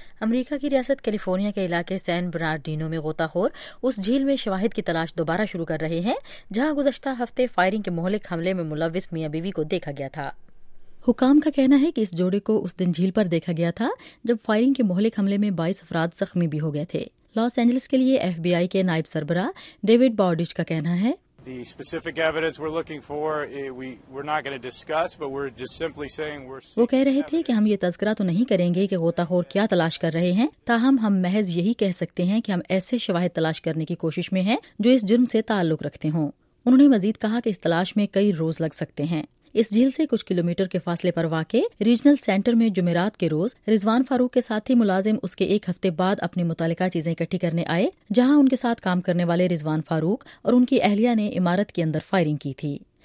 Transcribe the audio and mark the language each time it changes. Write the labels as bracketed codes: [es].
[ur] امریکہ کی ریاست کیلیفورنیا کے علاقے سین برناردینو میں غوطہ خور اس جھیل میں شواہد کی تلاش دوبارہ شروع کر رہے ہیں جہاں گزشتہ ہفتے فائرنگ کے مہلک حملے میں ملوث میاں بیوی کو دیکھا گیا تھا. حکام کا کہنا ہے کہ اس جوڑے کو اس دن جھیل پر دیکھا گیا تھا جب فائرنگ کے مہلک حملے میں 22 افراد زخمی بھی ہو گئے تھے. لاس اینجلس کے لیے FBI کے نائب سربراہ ڈیوڈ باؤڈچ کا کہنا ہے, [en] The specific evidence we're looking for, we're not going to discuss, but we're just simply saying we're seeking. [ur] وہ کہہ رہے تھے کہ ہم یہ تذکرہ تو نہیں کریں گے کہ غوطہ خور کیا تلاش کر رہے ہیں, تاہم ہم محض یہی کہہ سکتے ہیں کہ ہم ایسے شواہد تلاش کرنے کی کوشش میں ہیں جو اس جرم سے تعلق رکھتے ہوں. انہوں نے مزید کہا کہ اس تلاش میں کئی روز لگ سکتے ہیں. اس جھیل سے کچھ کلومیٹر کے فاصلے پر واقع ریجنل سینٹر میں جمعرات کے روز رضوان فاروق کے ساتھی ملازم اس کے ایک ہفتے بعد اپنی متعلقہ چیزیں اکٹھی کرنے آئے, جہاں ان کے ساتھ کام کرنے والے رضوان فاروق اور ان کی اہلیہ نے عمارت کے اندر فائرنگ کی تھی.